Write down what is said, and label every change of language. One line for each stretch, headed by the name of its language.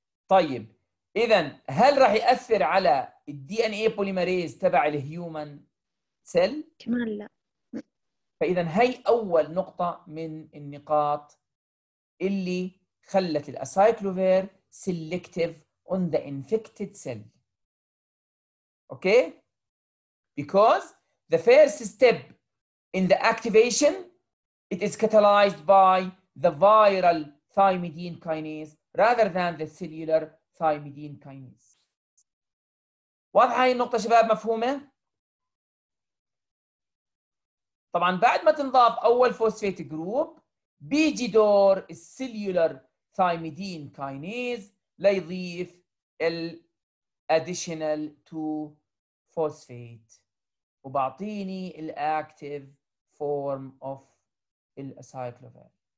Arabic: طيب إذن هل راح يأثر على الـ DNA polymerase تبع الـ human cell؟ كمان لا. فإذن هاي أول نقطة من النقاط اللي خلت الـ acyclovir
English: selective on the infected cell. Okay? Because the first step in the activation it is catalyzed by the viral thymidine kinase rather than the cellular thymidine kinase.
Arabic: واضحة هاي النقطة شباب, مفهومة؟ طبعا بعد ما تنضاف أول فوسفيت جروب بيجي دور السيليولر thymidine kinase ليضيف ال
English: additional 2 phosphate
Arabic: وبعطيني ال
English: active form of
Arabic: ال acyclovir.